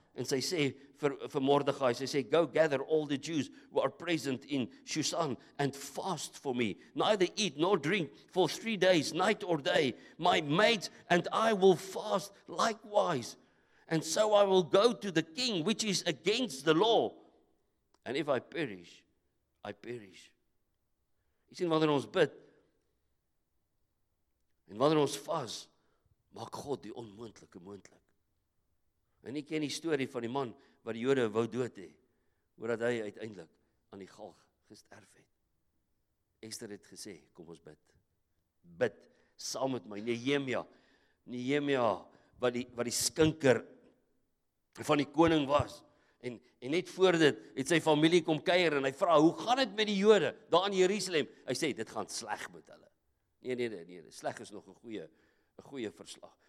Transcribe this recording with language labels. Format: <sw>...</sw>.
<af>En sy sê vir Mordegai, sy sê,</af> <en>go gather all the Jews who are present in Susan and fast for me. Neither eat nor drink for 3 days, night or day. My maids and I will fast likewise. And so I will go to the king, which is against the law. And if I perish, I perish.</en> <af>Jy sien, wanneer ons bid, en wanneer ons vas, maak God die onmoontlike moontlik. En ek ken die storie van die man wat die Jode wou dood hê, omdat hy uiteindelik aan die galg gesterf het. Ester het gesê, kom ons bid. Bid saam met my. Nehemia wat die skinker van die koning was. En net voor dit het sy familie kom kuier en hy vra, hoe gaan dit met die Jode daar in Jerusalem? Hy sê, dit gaan sleg met hulle. Nee, sleg is nog een goeie verslag.</af>